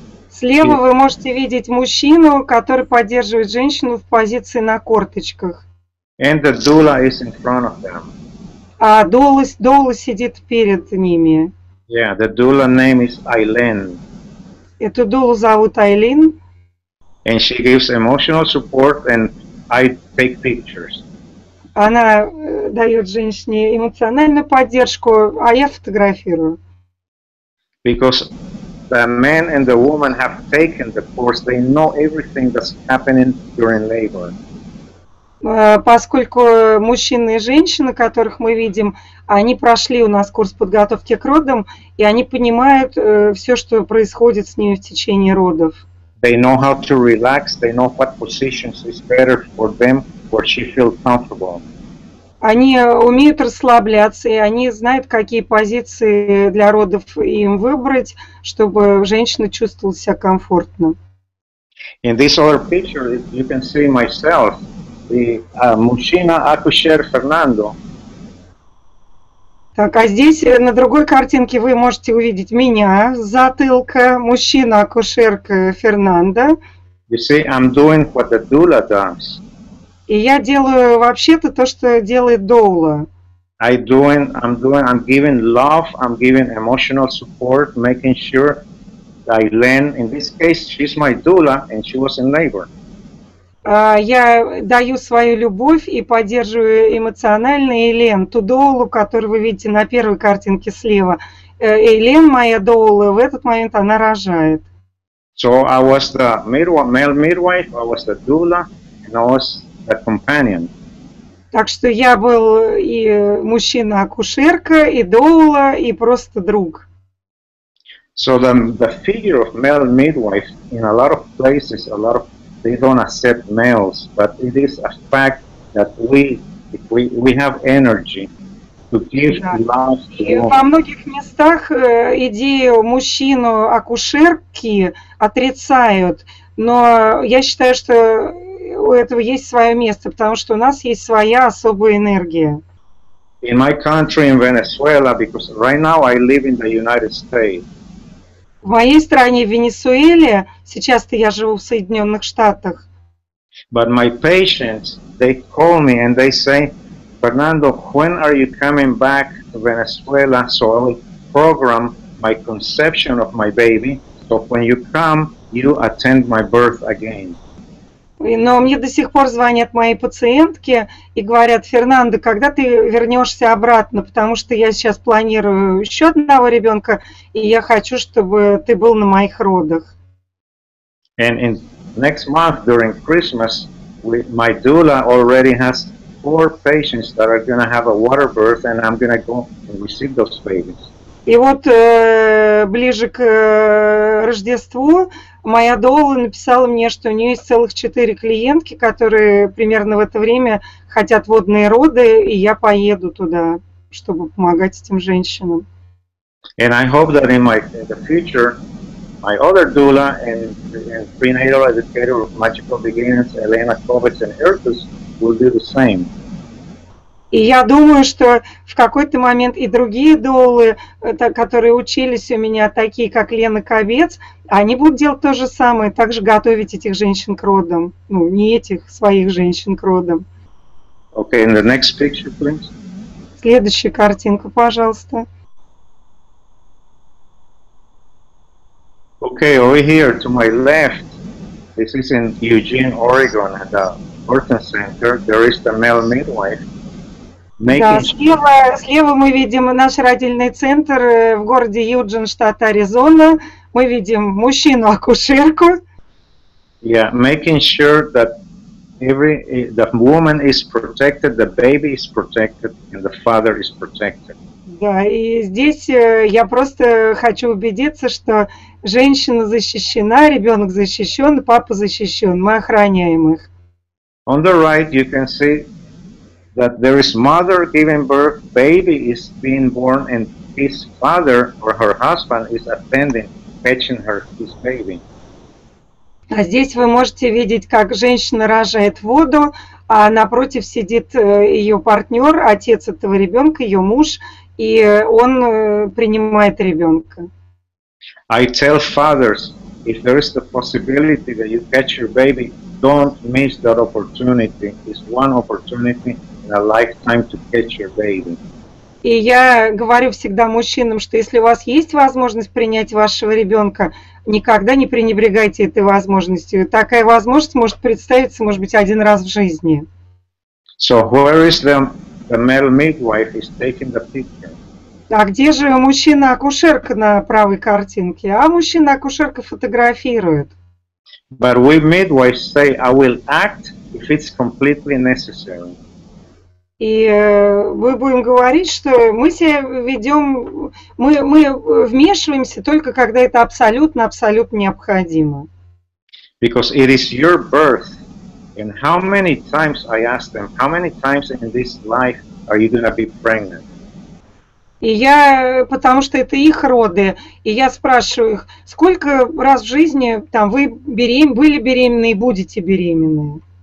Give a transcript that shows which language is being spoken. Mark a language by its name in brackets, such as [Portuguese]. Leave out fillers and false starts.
[Russian] Слева вы можете видеть мужчину, который поддерживает женщину в позиции на корточках. [English] And the doula is in front of them. [Russian] А доула сидит перед ними. [English] Yeah, the doula name is Eileen. [Russian] Эту доулу зовут Eileen. [English] And she gives emotional support and I take pictures. [Russian] Она дает женщине эмоциональную поддержку, а я фотографирую. [English] Because the man and the woman have taken the course, they know everything that's happening during labor. [Russian] Поскольку мужчины и женщины, которых мы видим, они прошли у нас курс подготовки к родам, и они понимают все, что происходит с ними в течение родов. [English] They know how to relax, they know what positions is better for them, where she feels comfortable. [Russian] Они умеют расслабляться, и они знают, какие позиции для родов им выбрать, чтобы женщина чувствовала себя комфортно. [English] In this other picture, you can see myself. [Russian] Мужчина акушер Фернандо. Так, а здесь на другой картинке вы можете увидеть меня с затылка, мужчина акушерка Фернандо. [English] You see, I'm doing what the doula does. [Russian] И я делаю вообще-то то, что делает доула. [English] I'm giving love, I'm giving emotional support, making sure that I learn. In this case, she's my doula and she was in labor. [Russian] Я даю свою любовь и поддерживаю эмоционально Елен, ту доулу, которую вы видите на первой картинке слева. Елен, моя доула, в этот момент она рожает. [English] So I was the male midwife, I was the doula, and I was the companion. [Russian] Так что я был и мужчина-акушерка, и доула, и просто друг. [English] So the figure of male midwife in a lot of places, a lot of they don't accept males, but it is a fact that we have energy to give love to women. [Russian] Во многих местах идею мужчину акушерки отрицают, но я считаю, что у этого есть свое место, потому что у нас есть своя особая энергия. [English] In my country, in Venezuela, because right now I live in the United States. [Russian] В моей стране, в Венесуэле, сейчас-то я живу в Соединенных Штатах. [English] But my patients, they call me and they say, Fernando, when are you coming back to Venezuela so I will program my conception of my baby. So when you come, you attend my birth again. [Russian] Но мне до сих пор звонят мои пациентки и говорят: Фернандо, когда ты вернешься обратно, потому что я сейчас планирую еще одного ребенка, и я хочу, чтобы ты был на моих родах. [English] And in next month during Christmas, my doula already has 4 patients that are going to have a water birth, and I'm going to go and receive those babies. [Russian] И вот ближе к Рождеству моя доула написала мне, что у нее есть целых 4 клиентки, которые примерно в это время хотят водные роды, и я поеду туда, чтобы помогать этим женщинам. [English] And I hope that in the future, my other doula and prenatal educator of Magical Beginnings, Elena Kovacs and Hertus, will do the same. [Russian] И я думаю, что в какой-то момент и другие доулы, которые учились у меня, такие как Лена Ковец, они будут делать то же самое, также готовить этих женщин к родам. Ну, не этих, своих женщин к родам. [English] Okay, and the next picture, please. [Russian] Следующая картинка, пожалуйста. [English] Okay, over here to my left, this is in Eugene, Oregon, at the birthing center, there is the male midwife. [Russian] Да, слева мы видим наш родильный центр в городе Юджин, штат Аризона. Мы видим мужчину-акушерку. [English] Yeah, making sure that the woman is protected, the baby is protected, and the father is protected. [Russian] Да, и здесь я просто хочу убедиться, что женщина защищена, ребенок защищен, папа защищен, мы охраняем их. [English] On the right you can see that there is mother giving birth, baby is being born, and his father or her husband is attending, fetching her his baby. [Russian] А здесь вы можете видеть, как женщина рожает воду, а напротив сидит ее партнер, отец этого ребенка, ее муж, и он принимает ребенка. [English] I tell fathers, if there is the possibility that you catch your baby, don't miss that opportunity. It's one opportunity. A lifetime to catch your baby. [Russian] И я говорю всегда мужчинам, что если у вас есть возможность принять вашего ребенка, никогда не пренебрегайте этой возможностью. Такая возможность может представиться, может быть, один раз в жизни. [English] So where is the male midwife is taking the picture? [Russian] А где же мужчина-акушерка на правой картинке? А мужчина-акушерка фотографирует. [English] But we midwives say, I will act if it's completely necessary. [Russian] И мы будем говорить, что мы себя ведем, мы вмешиваемся только когда это абсолютно необходимо. [English] Because it is your birth, and how many times I ask them, how many times in this life are you going to be pregnant? [Russian] И я, потому что это их роды, и я спрашиваю их, сколько раз в жизни там вы были беременны и будете беременны?